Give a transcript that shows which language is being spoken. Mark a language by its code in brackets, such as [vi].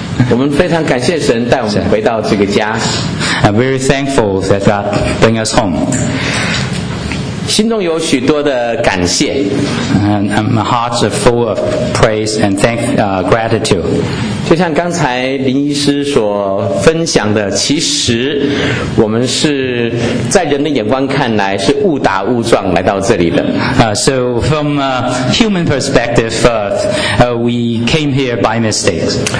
[zh] 我们非常感谢神带我们回到这个家。 [en] I'm very thankful that God bring us home. [zh] 心中有许多的感谢 [en] My heart is full of praise and gratitude. [zh] 就像刚才林医师所分享的，其实我们是在人的眼光看来是误打误撞来到这里的。 [en] So from a human perspective, we came here by mistake.